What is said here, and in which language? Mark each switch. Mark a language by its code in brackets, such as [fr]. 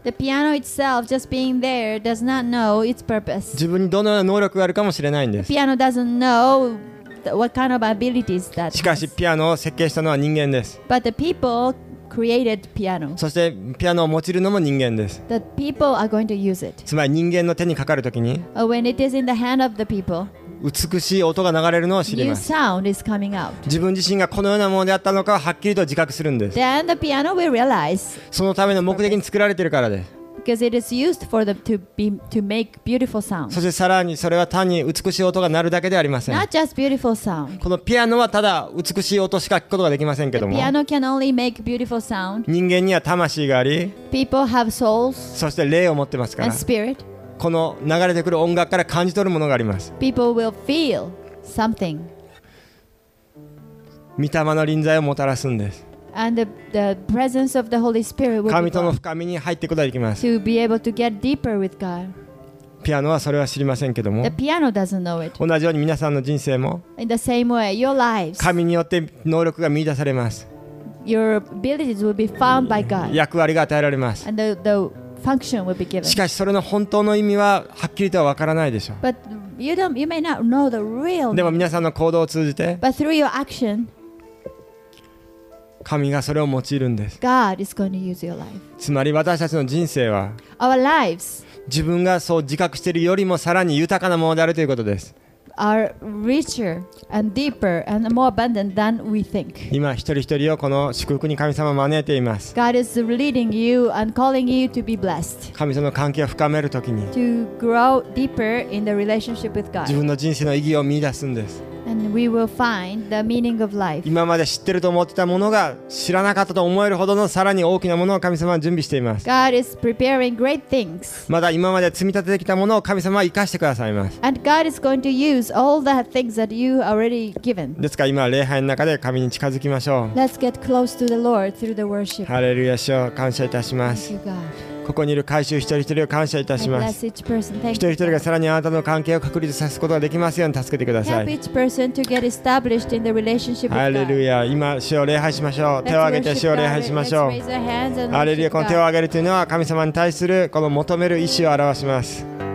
[en] The piano itself just being there does not know its purpose. [ja] 自分にどのような能力があるかもしれないんです。 [en] The piano doesn't know what kind of abilities that. [ja] しかしピアノを設計したのは人間です。 [en] But the people created piano. [ja] そしてピアノを用いるのも人間です。 [en] The people are going to use it. [ja] つまり人間の手にかかるときに、 [en] when it is in the hand of the people. [ja] 美しい音が流れるのを知ります。 [en] New sound is coming out. [ja] 自分自身がこのようなものであったのかをはっきりと自覚するんです。 [en] Then the piano will realize. [ja] そのための目的に作られているからです。 [en] Because it is used for the to make beautiful sound. [ja] そしてさらにそれは単に美しい音が鳴るだけではありません。 [en] Not just beautiful sound. [ja] このピアノはただ美しい音しか聞くことができませんけども。 [en] The piano can only make beautiful sound. [ja] 人間には魂があり、 [en] people have souls. [ja] そして霊を持ってますから。 [en] And spirit. [ja] この流れてくる音楽から感じ取るものがあります。 [en] People will feel something. [ja] 御霊の臨在をもたらすんです。 [en] And the presence of the Holy Spirit will [ja] 神との深みに入っていくことができます。 [en] To be able to get deeper with God. [ja] ピアノはそれは知りませんけども、 [en] the piano doesn't know it. [ja] 同じように皆さんの人生も、 [en] in the same way, your lives. [ja] 神によって能力が見出されます。 [en] Your abilities will be found by God. [ja] 役割が与えられます。 [en] And the function will be given. [ja] しかしそれの本当の意味ははっきりとは分からないでしょう。 [en] But you don't, you may not know the real. [ja] でも皆さんの行動を通じて、 [en] but through your action, [ja] 神がそれを用いるんです。 [en] God is going to use your life. [ja] つまり私たちの人生は、 [en] our lives, [ja] 自分がそう自覚しているよりもさらに豊かなものであるということです。 [en] are richer and deeper and more abundant than we think. [ja] 今一人一人をこの祝福に神様を招いています。 [en] God is leading you and calling you to be blessed. [ja] 神様の関係を深めるときに、 [en] to grow deeper in the relationship with God. [ja] 自分の人生の意義を見出すんです。 [en] And we will find the meaning of life. [ja] 今まで知ってると思ってたものが知らなかったと思えるほどのさらに大きなものを神様は準備しています。 [en] God is preparing great things. [ja] まだ今まで積み立ててきたものを神様は生かしてくださいます。 [en] And God is going to use all the things that you already given. [ja] ですから今礼拝の中で神に近づきましょう。 [en] Let's get close to the Lord through the worship. [ja] ハレルヤ、主を感謝いたします。 [en] Thank you, God. [ja] ここにいる会衆一人一人を感謝いたします。一人一人がさらにあなたの関係を確立させることができますように助けてください。ハレルヤ。今主を礼拝しましょう。手を挙げて主を礼拝しましょう。ハレルヤ。この手を挙げるというのは神様に対するこの求める意思を表します。